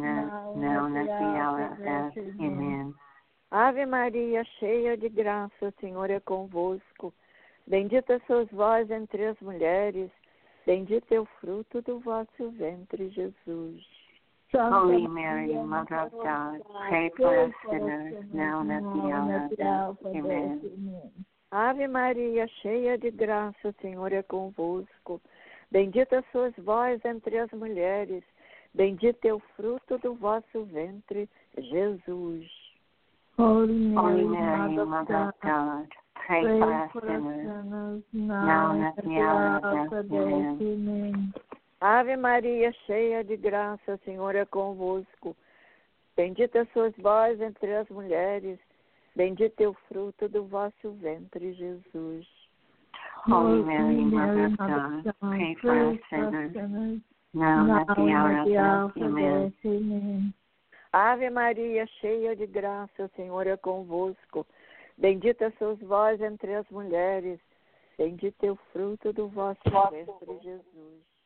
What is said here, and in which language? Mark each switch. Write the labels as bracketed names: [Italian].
[English] Holy Mary, Mother of God, pray for us sinners, now and at the hour of death. Amen. [Portuguese] Ave Maria, cheia de graça, o Senhor é convosco. Bendita sois vós entre as mulheres, bendito é o fruto do vosso ventre, Jesus. [English] Holy Mary, Mother of God, pray for us sinners, now and at the hour of death. Amen. [Portuguese] Ave Maria, cheia de graça, o Senhor é convosco. Bendita sois vós entre as mulheres, bendito é o fruto do vosso ventre, Jesus. [English] Holy Mary, Mother of God, pray for us sinners, now and at the hour of death. Amen. [Portuguese] Ave Maria, cheia de graça, o Senhor é convosco. Bendita sois vós entre as mulheres. Bendito é o fruto do vosso ventre, Jesus. [English] Holy Mary, Mother of God, pray for us sinners, now and at the hour of death. Amen. [Portuguese] Ave Maria, cheia de graça, o Senhor é convosco. Bendita sois vós entre as mulheres. Bendito é o fruto do vosso ventre, Jesus.